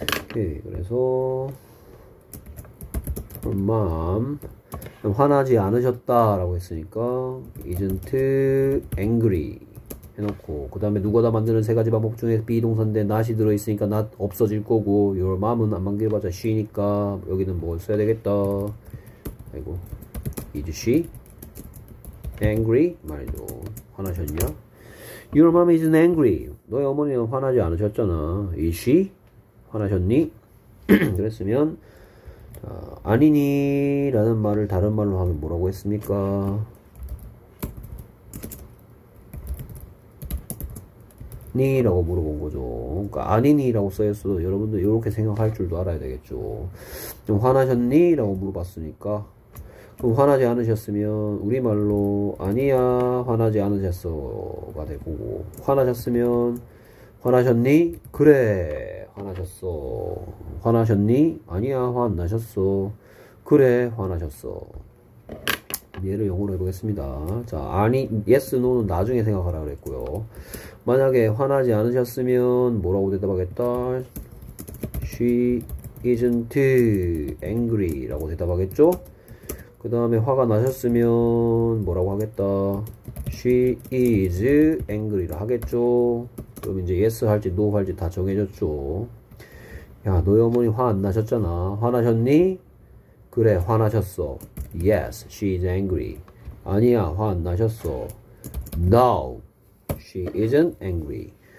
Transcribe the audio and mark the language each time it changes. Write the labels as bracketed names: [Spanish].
[Korean] 오케이, 그래서 [English] her mom [Korean] 화나지 않으셨다라고 했으니까 [English] isn't angry. [Korean] 해놓고 그 다음에 누가 다 만드는 세 가지 방법 중에 be 동사인데 not이 들어있으니까 not 없어질 거고 [English] your mom [Korean] 은 안 만들어봤자 she니까 여기는 뭘 써야 되겠다. 아이고 [English] is she angry [Korean] 말이죠. 화나셨냐? [English] Your mom isn't angry. [Korean] 너의 어머니는 화나지 않으셨잖아. [English] Is she [Korean] 화나셨니? 그랬으면 아니니라는 말을 다른 말로 하면 뭐라고 했습니까? 니라고 물어본 거죠. 그러니까 아니니라고 써있어도 여러분도 이렇게 생각할 줄도 알아야 되겠죠. 좀 화나셨니라고 물어봤으니까 그럼 화나지 않으셨으면 우리말로 아니야 화나지 않으셨어가 되고 화나셨으면 화나셨니 그래 화나셨어 화나셨니 아니야 화나셨어 그래 화나셨어. 예를 영어로 해보겠습니다. 자, 아니, yes, no는 나중에 생각하라 그랬고요. 만약에 화나지 않으셨으면 뭐라고 대답하겠다? [English] She isn't angry [Korean] 라고 대답하겠죠? 그 다음에 화가 나셨으면 뭐라고 하겠다? [English] She is angry를 [Korean] 하겠죠. 그럼 이제 yes 할지 no 할지 다 정해졌죠. 야, 너희 어머니 화안 나셨잖아. 화나셨니? 그래, 화나셨어. [English] Yes, she is angry. [Korean] 아니야, 화안 나셨어. [English] No, she isn't angry.